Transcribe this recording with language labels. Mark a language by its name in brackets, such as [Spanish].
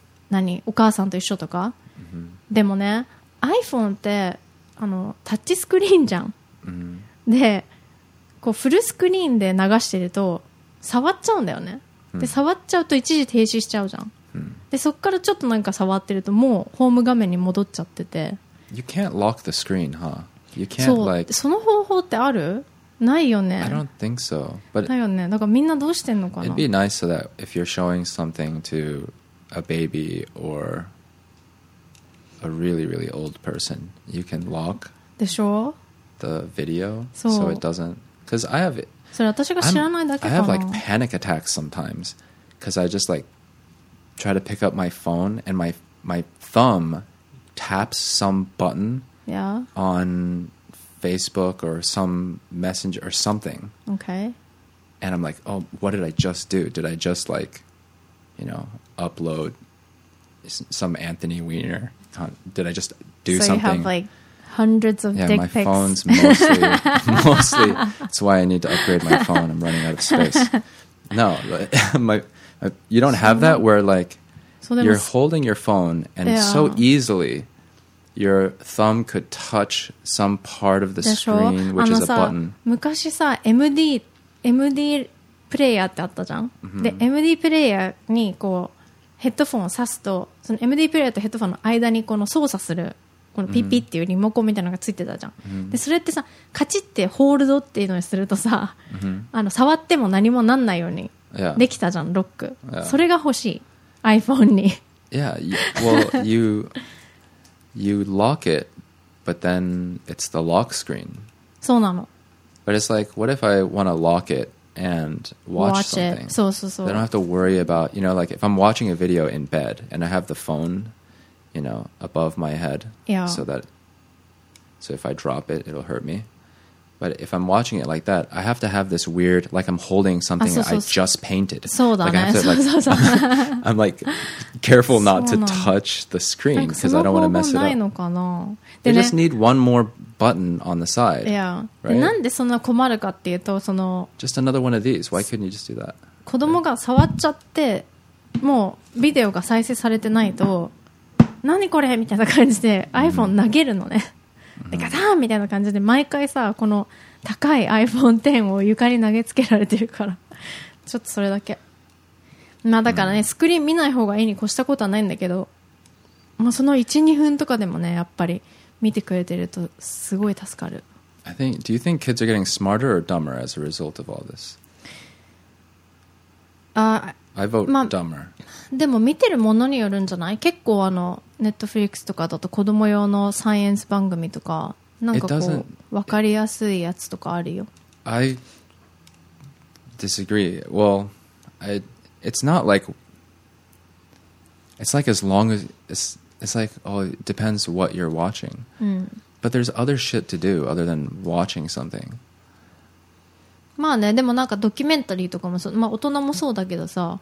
[Japanese] 何お母さんと一緒とか、でもね iPhone ってタッチスクリーンじゃん、でこうフルスクリーンで流してると触っちゃうんだよね、で触っちゃうと一時停止しちゃうじゃん、でそっからちょっとなんか触ってるともうホーム画面に戻っちゃってて、 [English] You can't lock the screen, huh? You can't like [Japanese] その方法ってある？ないよね。 [English] I don't think so. But [Japanese] だよね。だからみんなどうしてんのかな。 [English] It'd be nice so that if you're showing something to a baby or a really really old person, you can lock [Japanese] でしょ [English] the video so it doesn't Because I have it. [Japanese] それ私が知らないだけかな。 [English] I have like panic attacks sometimes because I just like try to pick up my phone and my thumb taps some button on Facebook or some messenger or something. Okay. And I'm like, oh, what did I just do? Did I just like, you know, upload some Anthony Weiner? Did I just do something? So you have like... Hundreds of dick pics. Yeah, my phone's mostly. That's why I need to upgrade my phone. I'm running out of space. No, you don't have that where like you're holding your phone and so easily your thumb could touch some part of the screen, which is a button. [Japanese] 昔さ、MD プレイヤーってあったじゃん。で、MD プレイヤーにこうヘッドフォンを挿すと、その MD プレイヤーとヘッドフォンの間にこの操作する。このピッピッっていうリモコンみたいなのがついてたじゃん、でそれってさカチッてホールドっていうのにするとさ、触っても何もなんないようにできたじゃん、ロック、それが欲しい iPhone に。 [English] Yeah, well you lock it but then it's the lock screen. [Japanese] そうなの。 [English] But it's like what if I want to lock it and watch something [Japanese] it. そうそうそう。 [English] I don't have to worry about, you know, like if I'm watching a video in bed and I have the phoneYou know, above my head, so if I drop it, it'll hurt me. But if I'm watching it like that, I have to have this weird, like I'm holding something I just painted. [Japanese] そうだね。そうそうそう。 [English] I'm like careful not to touch the screen because I don't want to mess it up. [Japanese] ないのかな。 [English] They just need one more button on the side. [Japanese] Yeah. Right? なんでそんな困るかっていうと、その [English] just another one of these. Why couldn't you just do that? [Japanese] 子供が触っちゃって、もうビデオが再生されてないと。何これみたいな感じで iPhone 投げるのね、でガタンみたいな感じで毎回さこの高い iPhone X を床に投げつけられてるからちょっとそれだけ、まあだからね、うん、スクリーン見ない方がいいに越したことはないんだけど、まあ、その 1,2 分とかでもねやっぱり見てくれてるとすごい助かる。 [English] I think, Do you think kids are getting smarter or dumber as a result of all this? I vote、まあ、dumber. [Japanese] でも見てるものによるんじゃない？結構あのネットフリックスとかだと子供用のサイエンス番組とかなんかこう分かりやすいやつとかあるよ。 [English] I disagree. Well, it's not like it's like as long as it's like, oh, it depends what you're watching、 [Japanese] うん、 [English] But there's other shit to do other than watching something。 [Japanese] まあね、でもなんかドキュメンタリーとかもそう、まあ大人もそうだけどさ。